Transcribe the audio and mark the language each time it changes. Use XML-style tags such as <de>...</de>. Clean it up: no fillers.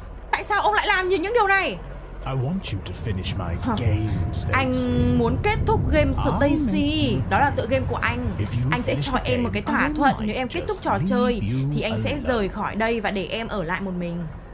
<vi>Tại sao ông lại làm như những điều này?</vi> <en>I want you to finish my game, Stacy.</en> <vi>Anh muốn kết thúc game Stacy. Đó là tựa game của anh. Anh sẽ cho em một cái thỏa thuận. Nếu em kết thúc trò chơi thì anh sẽ rời khỏi đây và để em ở lại một mình.</vi>